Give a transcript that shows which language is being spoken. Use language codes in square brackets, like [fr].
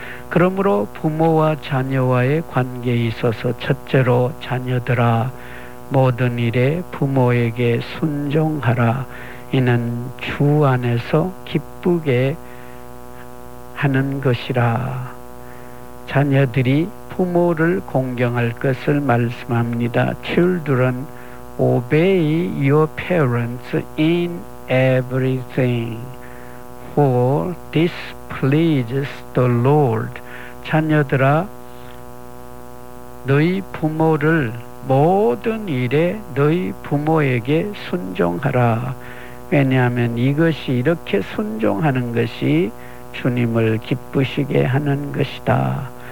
[ko] 그러므로 부모와 자녀와의 관계에 있어서 첫째로 자녀들아 모든 일에 부모에게 순종하라. 이는 주 안에서 기쁘게 하는 것이라. 자녀들이 부모를 공경할 것을 말씀합니다. [en] Children, obey your parents in everything, for this pleases the Lord. [ko] 자녀들아, 너희 부모를 모든 일에 너희 부모에게 순종하라. 왜냐하면 이것이 이렇게 순종하는 것이 주님을 기쁘시게 하는 것이다.